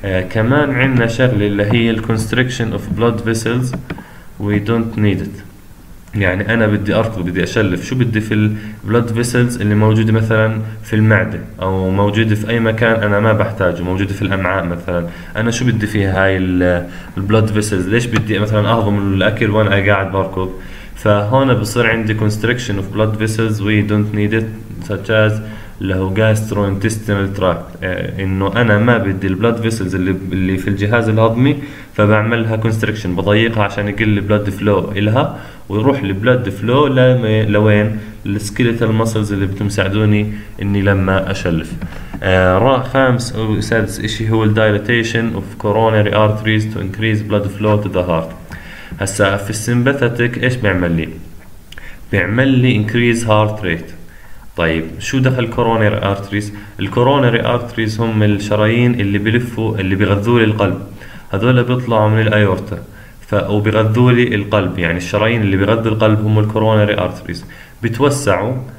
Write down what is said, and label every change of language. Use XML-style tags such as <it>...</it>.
<ar>كمان عندنا شغله اللي هي</ar> <en>الكونستريكشن of blood vessels we don't need it,</en> <ar>يعني انا بدي ارقد، بدي اشلف، شو بدي في البلود فيسلز اللي موجوده مثلا في المعده او موجوده في اي مكان انا ما بحتاجه، موجوده في الامعاء مثلا، انا شو بدي فيها هاي البلود فيسلز؟ ليش بدي مثلا اهضم الاكل وانا قاعد بركض؟ فهنا بصير عندي</ar> <en>constriction of blood vessels we don't need it</en> <ar>such as له gastrointestinal tract. إنه أنا ما بدي ال blood vessels اللي في الجهاز الهضمي، فبعملها constriction، بضيقها عشان يقل ال blood flow إلها ويروح ال blood flow لوين؟ ال skeletal muscles اللي بتمساعدوني إني لما أشلف. خامس أو سادس إشي هو</ar> <en>dilatation of coronary arteries to increase blood flow to the heart.</en> <ar>هسا في السيمباثيك ايش بيعمل لي؟ بيعمل لي انكريز هارت ريت. طيب شو دخل كورونري ارتريز؟ الكورونري ارتريز هم الشرايين اللي بلفوا اللي بغذوا لي القلب، هذول بيطلعوا من الايورتا وبغذوا لي القلب، يعني الشرايين اللي بغذوا القلب هم الكورونري ارتريز، بتوسعوا</ar>